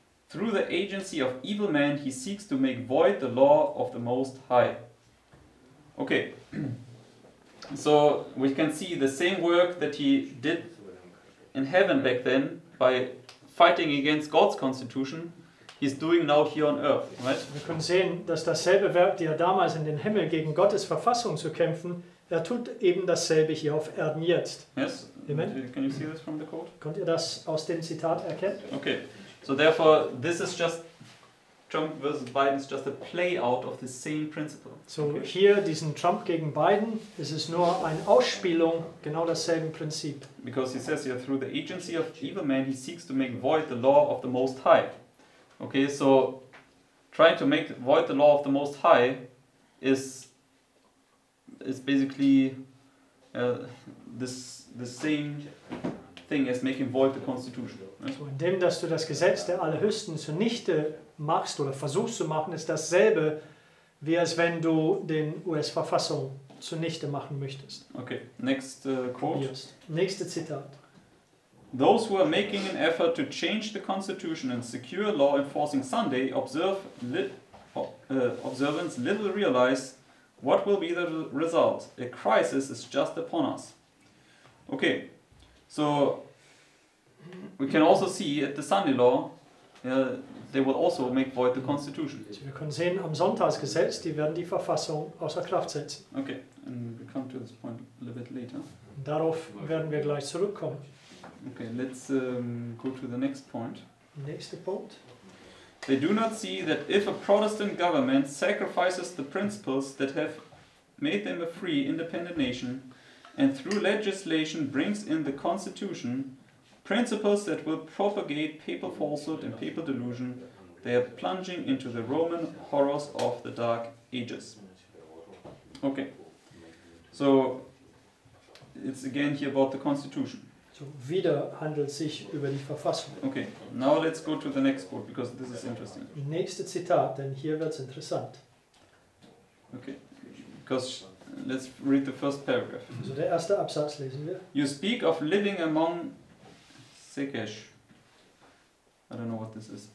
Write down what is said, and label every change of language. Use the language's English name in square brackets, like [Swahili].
[English] Through the agency of evil men, he seeks to make void the law of the Most High. Okay, so we can see the same work that he did in heaven back then by fighting against God's constitution, he's doing now here on earth, right? [German] Wir können sehen, dass dasselbe Werk, die er damals in den Himmel gegen Gottes Verfassung zu kämpfen, er tut eben dasselbe hier auf Erden jetzt. [English] Yes. Amen. Can you see this from the quote? [German] Könnt ihr das aus dem Zitat erkennen? [English] Okay. So therefore, this is just Trump versus Biden is just a play out of the same principle. [German] So hier diesen Trump gegen Biden, es ist nur eine Ausspielung genau desselben Prinzip. [English] Because he says here, through the agency of evil man, he seeks to make void the law of the Most High. Okay, so trying to make void the law of the Most High is basically the same thing as making void the Constitution. Right? [German] So indem dass du das Gesetz der Allerhöchsten zunichte machst oder versuchst zu machen, ist dasselbe, wie als wenn du den US-Verfassung zunichte machen möchtest. [English] Okay, next quote. [German] Yes. Nächste Zitat. [English] Those who are making an effort to change the Constitution and secure law enforcing Sunday observance little realize what will be the result. A crisis is just upon us. Okay, so we can also see at the Sunday law they will also make void the Constitution. [German] So wir können sehen, am Sonntagsgesetz, die werden die Verfassung außer Kraft setzen. [English] Okay, and we come to this point a little bit later. [German] Darauf werden wir gleich zurückkommen. [English] Okay, let's go to the next point. [German] Nächste Punkt. [English] They do not see that if a Protestant government sacrifices the principles that have made them a free, independent nation, and through legislation brings in the Constitution, principles that will propagate papal falsehood and papal delusion, they are plunging into the Roman horrors of the Dark Ages. Okay, so it's again here about the Constitution. [German] So, wieder handelt es sich über die Verfassung. [English] Okay, now let's go to the next quote, because this is interesting. [German] Nächste Zitat, denn hier wird es interessant. [English] Okay, because let's read the first paragraph. [German] Also der erste Absatz lesen wir. [English] You speak of living among Sekesh. I don't know what this is.